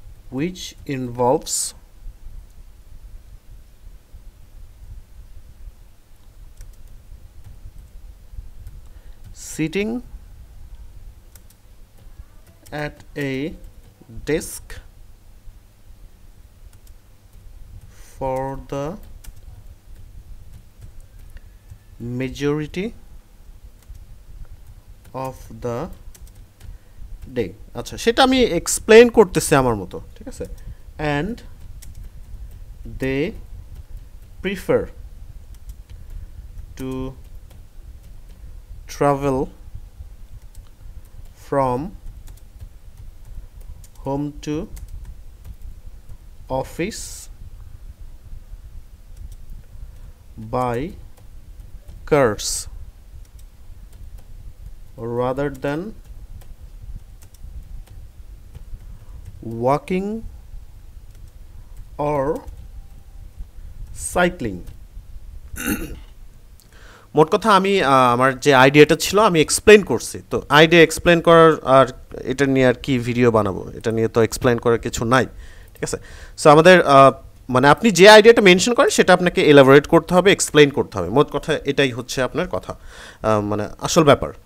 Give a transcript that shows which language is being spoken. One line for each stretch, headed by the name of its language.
English: which involves sitting at a desk for the majority of the day.
Bangla: আচ্ছা সেটা আমি explain করতেছি আমার মতো, ঠিক আছে?
English: And they prefer to travel from home to office by cars rather than walking or cycling.
Bangla: মোট কথা আমি আমার যে আইডিয়াটা ছিল আমি এক্সপ্লেইন করছি, তো আইডিয়া এক্সপ্লেইন করার আর এটা নিয়ে আর কি ভিডিও বানাবো, এটা নিয়ে তো এক্সপ্লেইন করার কিছু নাই, ঠিক আছে? সো আমাদের মানে আপনি যে আইডিয়াটা মেনশন করেন সেটা আপনাকে এলাবোরেট করতে হবে, এক্সপ্লেইন করতে হবে, মোট কথা এটাই হচ্ছে আপনার কথা, মানে আসল ব্যাপার।